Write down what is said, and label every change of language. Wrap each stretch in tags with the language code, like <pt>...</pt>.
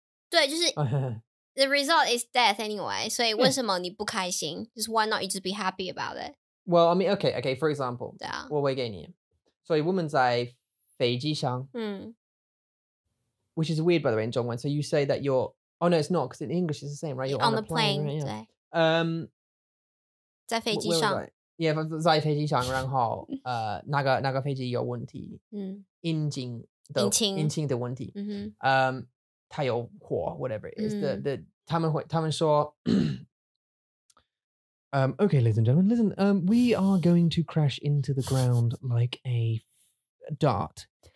<zh>对, 就是,</zh> <en>the result is death anyway.</en> <zh>所以为什么你不开心?Yeah.</zh> <en>Just why not you just be happy about it? Well, I mean, okay, for example.</en> <zh>对啊。我会给你。</zh> <en>So a woman's a 飞机箱, which is weird, by the way, in 中文. So you say that you're... Oh, no, it's not, because in English it's the same, right? You're on the plane, right?</en> <zh>Yeah. 在飞机上。 Yeah, 在飞机上, 然后, 那个飞机有问题, 引擎的问题, mm-hmm. 它有火,</zh> <en>whatever it is.</en> <zh>Mm.</zh> <en>The</en> <zh>他们说,</zh> <en>okay, ladies and gentlemen, listen, we are going to crash into the ground like a dart.</en>